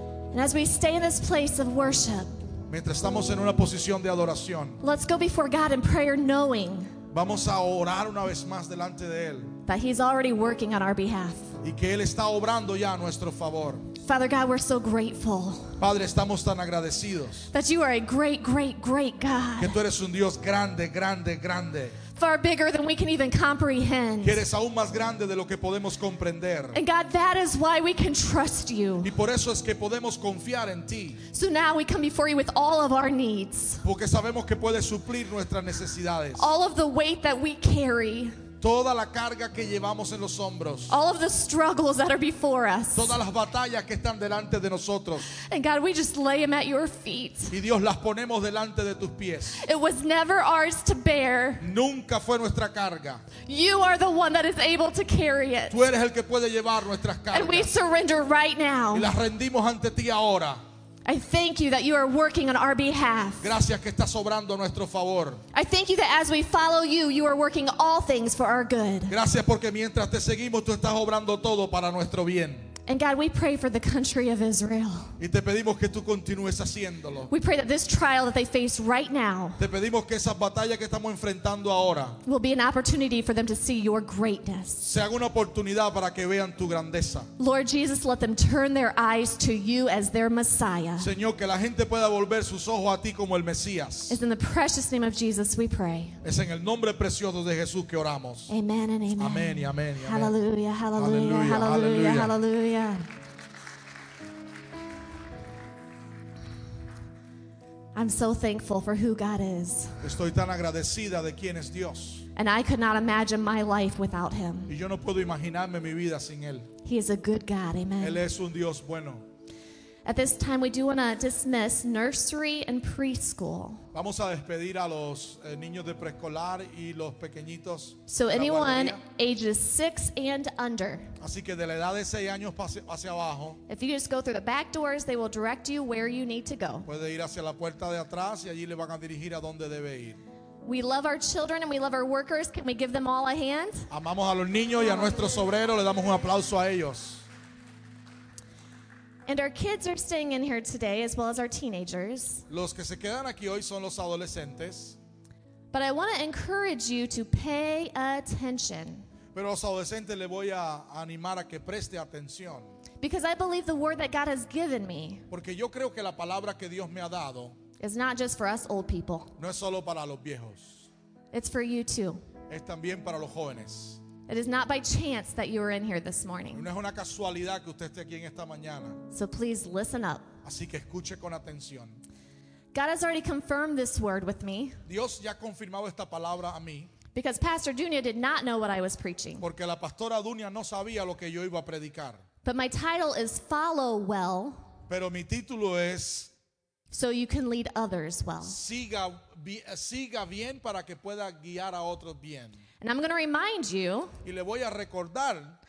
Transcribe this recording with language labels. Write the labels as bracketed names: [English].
[English] And as we stay in this place of worship, [Spanish] mientras estamos en una posición de adoración, [English] let's go before God in prayer knowing. [Spanish] Vamos a orar una vez más delante de él. [English] That he's already working on our behalf. [Spanish] Y que él está obrando ya a nuestro favor. [English] Father God, we're so grateful. [Spanish] Padre, estamos tan agradecidos. [English] That you are a great, great, great God. [Spanish] Que tú eres un Dios grande, grande, grande. [English] Far bigger than we can even comprehend. [Spanish] Que eres aún más grande de lo que podemos comprender. [English] And God, that is why we can trust you. [Spanish] Y por eso es que podemos confiar en ti. [English] So now we come before you with all of our needs. [Spanish] Porque sabemos que puedes suplir nuestras necesidades. [English] All of the weight that we carry. [Spanish] Toda la carga que llevamos en los hombros. [English] All of the struggles that are before us. [Spanish] Todas las batallas que están delante de nosotros. [English] And God, we just lay them at your feet. [Spanish] Y Dios, las ponemos delante de tus pies. [English] It was never ours to bear. [Spanish] Nunca fue nuestra carga. [English] You are the one that is able to carry it. [Spanish] Tú eres el que puede llevar nuestras cargas. [English] And we surrender right now. [Spanish] Y las rendimos ante ti ahora. [English] I thank you that you are working on our behalf. [Spanish] Gracias que estás obrando a nuestro favor. [English] I thank you that as we follow you, you are working all things for our good. [Spanish] Gracias porque mientras te seguimos, tú estás obrando todo para nuestro bien. [English] And God, we pray for the country of Israel. [Spanish] Y te pedimos que tú continúes haciéndolo. [English] We pray that this trial that they face right now. [Spanish] Te pedimos que esas batallas que estamos enfrentando ahora. [English] Will be an opportunity for them to see your greatness. [Spanish] Sea una oportunidad para que vean tu grandeza. [English] Lord Jesus, let them turn their eyes to you as their Messiah. [Spanish] Señor, que la gente pueda volver sus ojos a ti como el Mesías. [English] It's in the precious name of Jesus we pray. [Spanish] Es en el nombre precioso de Jesús que oramos. [English] Amen and amen. [Spanish] Amén y amén. [English] Hallelujah, hallelujah, hallelujah, hallelujah. I'm so thankful for who God is. [Spanish] Estoy tan agradecida de quién es Dios. [English] And I could not imagine my life without him. [Spanish] Y yo no puedo imaginarme mi vida sin él. [English] He is a good God, amen. [Spanish] Él es un Dios bueno. [English] At this time we do want to dismiss nursery and preschool. [Spanish] Vamos a despedir a los niños de preescolar y los pequeñitos. [English] So anyone ages 6 and under. [Spanish] Así que de la edad de 6 años hacia abajo. [English] If you just go through the back doors, they will direct you where you need to go. [Spanish] Puede ir hacia la puerta de atrás y allí le van a dirigir a dónde debe ir. [English] We love our children and we love our workers. Can we give them all a hand? [Spanish] Amamos a los niños y a nuestros obreros. Le damos un aplauso a ellos. [English] And our kids are staying in here today, as well as our teenagers. [Spanish] Los que se quedan aquí hoy son los adolescentes. [English] But I want to encourage you to pay attention. [Spanish] Pero a los adolescentes le voy a animar a que preste atención. [English] Because I believe the word that God has given me. [Spanish] Porque yo creo que la palabra que Dios me ha dado. [English] Is not just for us old people. [Spanish] No es solo para los viejos. [English] It's for you too. [Spanish] Es también para los jóvenes. [English] It is not by chance that you are in here this morning. [Spanish] No es una casualidad que usted esté aquí en esta mañana. [English] So please listen up. [Spanish] Así que escuche con atención. [English] God has already confirmed this word with me. [Spanish] Dios ya ha confirmado esta palabra a mí. [English] Because Pastor Dunia did not know what I was preaching. [Spanish] Porque la pastora Dunia no sabía lo que yo iba a predicar. [English] But my title is Follow Well. [Spanish] Pero mi título es [English] So you can lead others well. [Spanish] Siga bien para que pueda guiar a otros bien. [English] And I'm going to remind you. [Spanish] Y le voy a recordar.